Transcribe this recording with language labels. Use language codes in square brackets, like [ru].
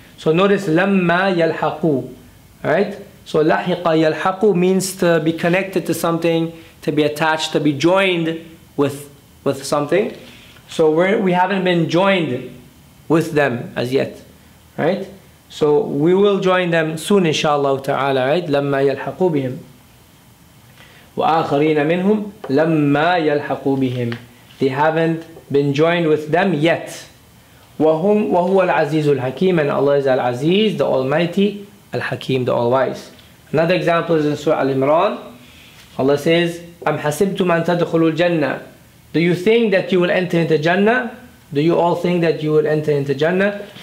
[en] So notice, [ar] لَمَّا يَلْحَقُوا. [en] Right? So [ar] لَحِقَ يَلْحَقُوا [en] means to be connected to something, to be attached, to be joined with something. So we haven't been joined with them as yet, right? So we will join them soon inshallah ta'ala, right? [ar] لَمَّا يَلْحَقُوا بِهِمْ وَآخَرِينَ مِنْهُمْ لَمَّا يَلْحَقُوا بِهِمْ, [en] they haven't been joined with them yet. [ar] وَهُمْ وَهُوَ الْعَزِيزُ الْحَكِيمُ, [en] and Allah is Al-Aziz, the Almighty, Al-Hakim, the All-Wise. Another example is in Surah Al-Imran. Allah says, [ar] أَمْ حَسِبْتُمْ أَن تَدْخُلُوا الْجَنَّةِ, [en] do you think that you will enter into Jannah? Do you all think that you will enter into Jannah?